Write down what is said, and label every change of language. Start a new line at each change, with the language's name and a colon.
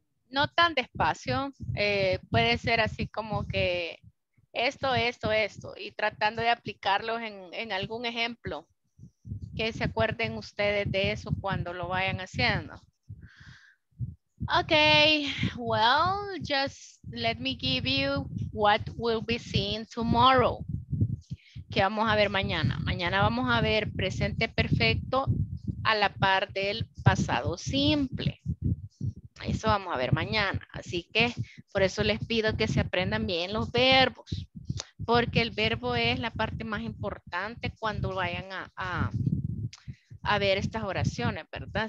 Spanish: No tan despacio, puede ser así como que esto, y tratando de aplicarlos en algún ejemplo que se acuerden ustedes de eso cuando lo vayan haciendo.
English: Okay, well, just let me give you what will be seen tomorrow.
Spanish: ¿Qué vamos a ver mañana? Mañana vamos a ver presente perfecto a la par del pasado simple. Eso vamos a ver mañana. Así que por eso les pido que se aprendan bien los verbos. Porque el verbo es la parte más importante cuando vayan a ver estas oraciones, ¿verdad?